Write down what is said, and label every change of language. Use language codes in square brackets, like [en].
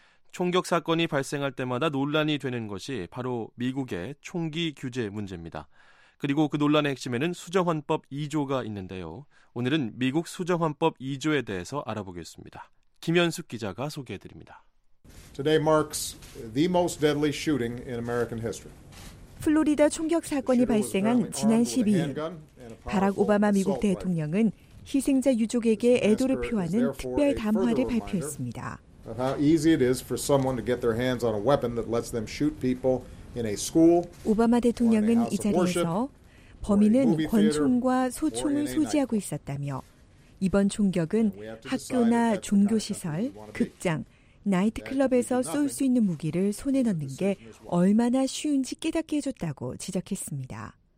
[ko] 총격 사건이 발생할 때마다 논란이 되는 것이 바로 미국의 총기 규제 문제입니다. 그리고 그 논란의 핵심에는 수정헌법 2조가 있는데요. 오늘은 미국 수정헌법 2조에 대해서 알아보겠습니다. 김현숙 기자가 소개해드립니다. [en] Today marks the most deadly shooting in American history. [ko] 플로리다 총격 사건이 발생한 지난 12일, 바락 오바마 미국 대통령은 희생자 유족에게 애도를 표하는 특별 담화를 발표했습니다. [en] How easy it is for someone to get their hands on a weapon that lets them shoot people in a school. [ko] 오바마 대통령은 이 자리에서 범인은 권총과 소총을 소지하고 있었다며 이번 총격은 학교나 종교 시설, 극장, 나이트클럽에서 쏠 수 있는 무기를 손에 넣는 게 얼마나 쉬운지 깨닫게 해줬다고 지적했습니다.